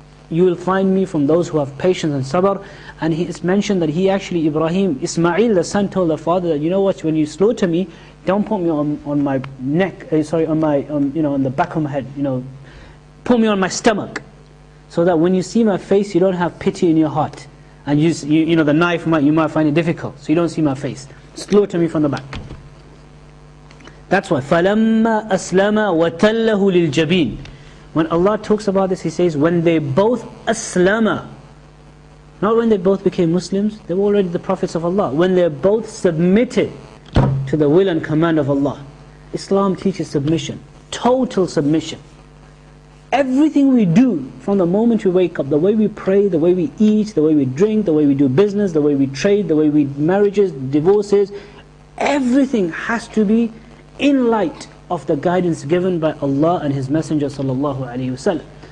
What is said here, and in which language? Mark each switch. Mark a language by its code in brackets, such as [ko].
[en] You will find me from those who have patience and sabr. And he has mentioned that he actually, Ibrahim, Ismail the son, told the father that, you know what, when you slaughter me, don't put me on my neck, sorry, on my, you know, on the back of my head, you know, put me on my stomach, so that when you see my face, you don't have pity in your heart. And you know, the knife, you might find it difficult, so you don't see my face. Slaughter me from the back. [ar] That's why, فَلَمَّا أَسْلَمَ وَتَلَّهُ لِلْجَبِينَ. [en] When Allah talks about this, He says, when they both aslama, not when they both became Muslims, they were already the prophets of Allah. When they both submitted to the will and command of Allah. Islam teaches submission, total submission. Everything we do from the moment we wake up, the way we pray, the way we eat, the way we drink, the way we do business, the way we trade, the way we marriages, divorces, everything has to be in light of the guidance given by Allah and His Messenger sallallahu alaihi wasallam.